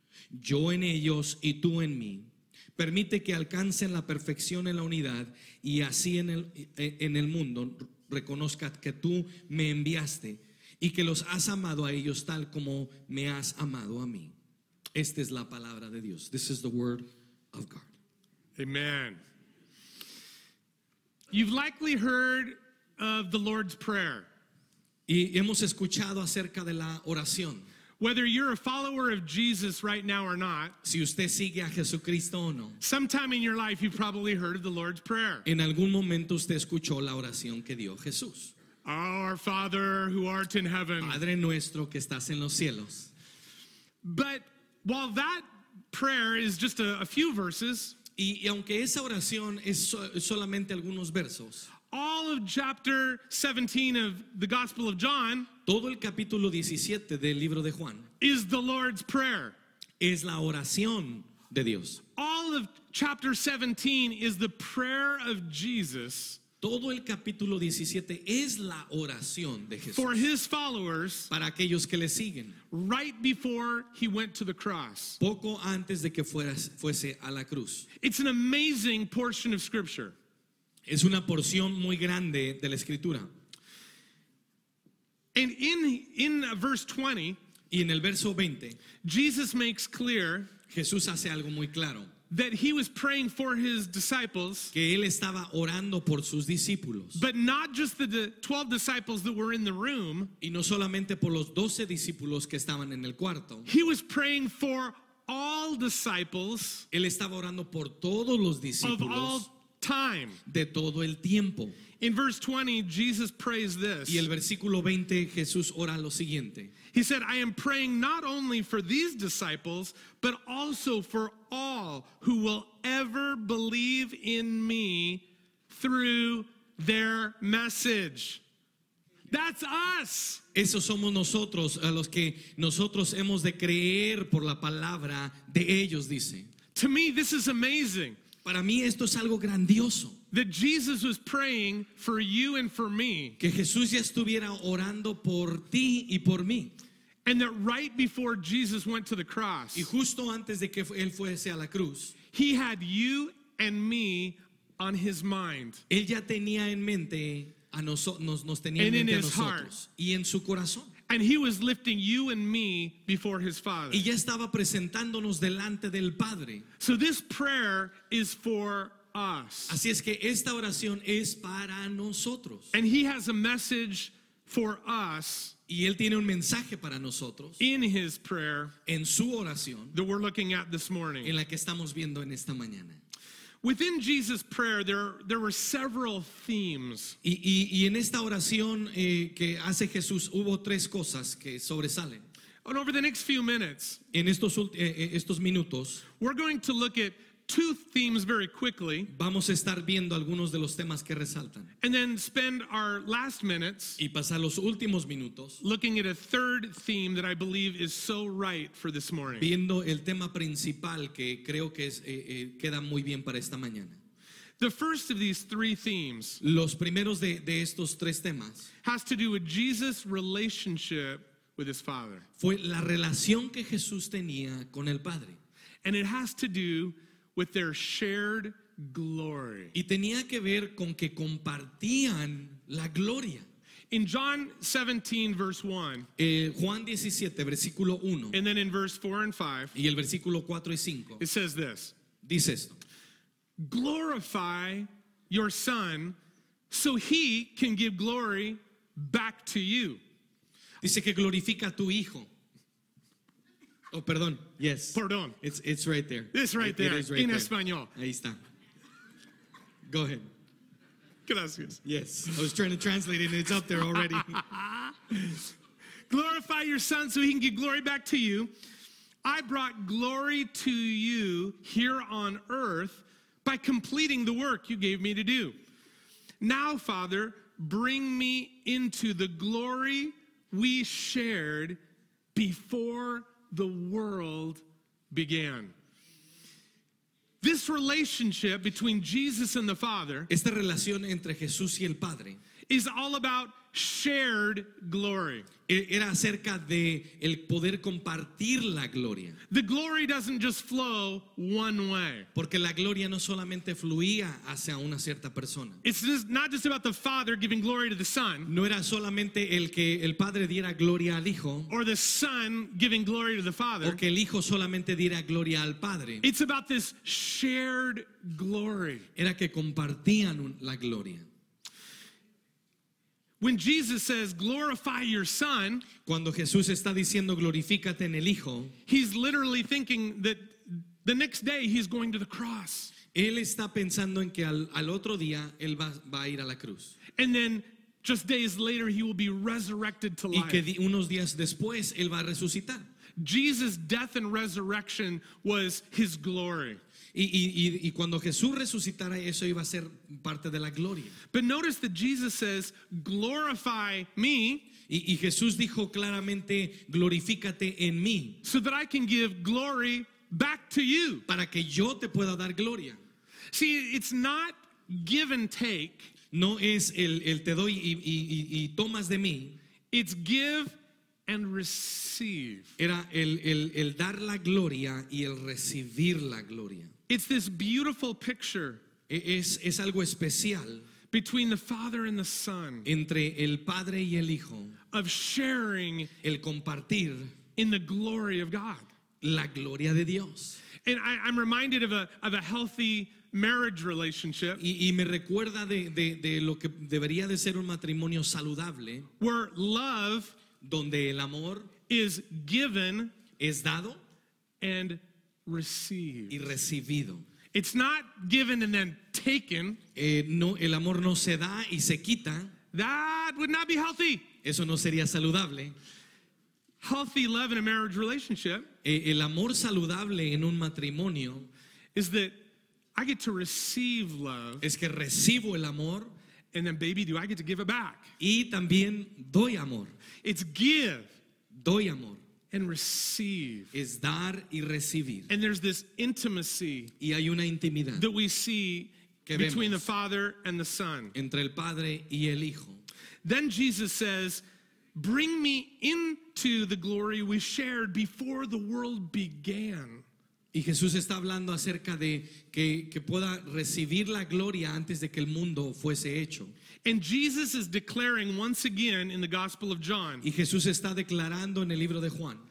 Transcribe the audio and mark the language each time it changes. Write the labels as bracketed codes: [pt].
[es] Yo en ellos y tú en mí. Permite que alcancen la perfección en la unidad y así en el mundo reconozca que tú me enviaste y que los has amado a ellos tal como me has amado a mí. Esta es la palabra de Dios. [en] This is the word of God. Amen. You've likely heard of the Lord's Prayer. [es] Y hemos escuchado acerca de la oración. [en] Whether you're a follower of Jesus right now or not, [es] si usted sigue a Jesucristo o no, [en] sometime in your life you've probably heard of the Lord's Prayer. [es] En algún momento usted escuchó la oración que dio Jesús. [en] Our Father who art in heaven. [es] Padre nuestro que estás en los cielos. [en] But while that prayer is just a few verses, [es] y aunque esa oración es solamente algunos versos, [en] all of chapter 17 of the Gospel of John, [es] todo el capítulo 17 del libro de Juan, [en] is the Lord's Prayer. [es] Es la oración de Dios. [en] All of chapter 17 is the prayer of Jesus. [es] Todo el capítulo 17 es la oración de Jesús. [en] For his followers, [es] para aquellos que le siguen, [en] right before he went to the cross, [es] poco antes de que fuese a la cruz. [en] It's an amazing portion of scripture. [es] Es una porción muy grande de la escritura. [en] And in verse 20, [es] y en el verso 20, [en] Jesus makes clear, [es] Jesús hace algo muy claro, [en] that he was praying for his disciples, [es] que él estaba orando por sus discípulos, [en] but not just the 12 disciples that were in the room, [es] y no solamente por los 12 discípulos que estaban en el cuarto. [en] He was praying for all disciples, [es] él estaba orando por todos los discípulos, [en] of all time, [es] de todo el tiempo. [en] In verse 20, Jesus prays this. [es] Y el versículo 20, Jesús ora lo siguiente. [en] He said, I am praying not only for these disciples, but also for all who will ever believe in me through their message. That's us. [es] Eso somos nosotros, a los que nosotros hemos de creer por la palabra de ellos, dice. [en] To me, this is amazing. [es] Para mí esto es algo grandioso. [en] That Jesus was praying for you and for me. [es] Que Jesús ya estuviera orando por ti y por mí. [en] And that right before Jesus went to the cross, [es] y justo antes de que él fuese a la cruz, [en] he had you and me on his mind. [es] Él ya tenía en mente a nos tenía [en] and [es] en [en] his [es] a nosotros, [en] heart. [es] Y en su corazón. [en] And he was lifting you and me before his Father. [es] Y ya estaba presentándonos delante del Padre. [en] So this prayer is for us. [es] Así es que esta oración es para nosotros. [en] And he has a message for us. [es] Y él tiene un mensaje para nosotros. [en] In his prayer. [es] En su oración. [en] That we're looking at this morning. [es] En la que estamos viendo en esta mañana. [en] Within Jesus' prayer, there were several themes. [es] Y en esta oración que hace Jesús hubo tres cosas que sobresalen. [en] And over the next few minutes. [es] En estos minutos. [en] We're going to look at two themes very quickly. [es] Vamos a estar viendo algunos de los temas que resaltan. [en] And then spend our last minutes. [es] Y pasar los últimos minutos. [en] Looking at a third theme that I believe is so right for this morning. [es] Viendo el tema principal que creo que es queda muy bien para esta mañana. [en] The first of these three themes. [es] Los primeros de estos tres temas. [en] Has to do with Jesus' relationship with his Father. [es] Fue la relación que Jesús tenía con el Padre. [en] And it has to do with their shared glory. [es] Y tenía que ver con que compartían la gloria. [en] In John 17 verse 1. [es] Juan 17 versículo 1. [en] And then in verse 4 and 5. [es] Y el versículo 4 y 5. [en] It says this. [es] Dice esto. [en] Glorify your son so he can give glory back to you. [es] Dice que glorifica a tu hijo. Oh, perdón. [en] Yes. [es] Perdón. [en] It's right there. It's right there. It is right in there. [es] Español. Ahí está. [en] Go ahead. [es] Gracias. [en] Yes. I was trying to translate it and it's up there already. Glorify your son so he can give glory back to you. I brought glory to you here on earth by completing the work you gave me to do. Now, Father, bring me into the glory we shared before the world began. This relationship between Jesus and the Father, [es] esta relación entre Jesús y el Padre, [en] is all about shared glory. [es] Era acerca de el poder compartir la gloria. [en] The glory doesn't just flow one way. [es] Porque la gloria no solamente fluía hacia una cierta persona. [en] It's just not just about the Father giving glory to the Son. [es] No era solamente el que el Padre diera gloria al Hijo. [en] Or the Son giving glory to the Father. [es] O que el Hijo solamente diera gloria al Padre. [en] It's about this shared glory. [es] Era que compartían la gloria. [en] When Jesus says glorify your son, [es] cuando Jesús está diciendo glorifícate en el hijo, [en] he's literally thinking that the next day he's going to the cross. [es] Él está pensando en que al otro día él va a ir a la cruz. [en] And then just days later he will be resurrected to life. [es] Y que unos días después él va a resucitar. [en] Jesus' death and resurrection was his glory. [es] Y cuando Jesús resucitara, eso iba a ser parte de la gloria. [en] But notice that Jesus says, glorify me. [es] Y Jesús dijo claramente, glorifícate en mí. [en] So that I can give glory back to you. [es] Para que yo te pueda dar gloria. [en] See, it's not give and take. [es] No es el te doy y tomas de mí. [en] It's give and receive. [es] Era el dar la gloria y el recibir la gloria. [en] It's this beautiful picture [es] es algo especial [en] between the Father and the Son, [es] entre el Padre y el Hijo, [en] of sharing [es] el compartir [en] in the glory of God, [es] la gloria de Dios. [en] And I'm reminded of a healthy marriage relationship, [es] y me recuerda de lo que debería de ser un matrimonio saludable, [en] where love, [es] donde el amor, [en] is given, [es] es dado, [en] and received. [es] Y recibido. [en] It's not given and then taken. [es] No, el amor no se da y se quita. [en] That would not be healthy. [es] Eso no sería saludable. [en] Healthy love in a marriage relationship. [es] El amor saludable en un matrimonio [en] is that I get to receive love. [es] Es que recibo el amor. [en] And then, baby, do I get to give it back? [es] Y también doy amor. [en] It's give. [es] Doy amor. [en] And receive. [es] Es dar y recibir. [en] And there's this intimacy, [es] y hay una intimidad, [en] that we see [es] que [en] between [es] vemos [en] the Father and the Son. [es] Entre el Padre y el Hijo. [en] Then Jesus says, bring me into the glory we shared before the world began. [es] Y Jesús está hablando acerca de que pueda recibir la gloria antes de que el mundo fuese hecho. [en] And Jesus is declaring once again in the Gospel of John, [es] y Jesús está declarando en el libro de Juan,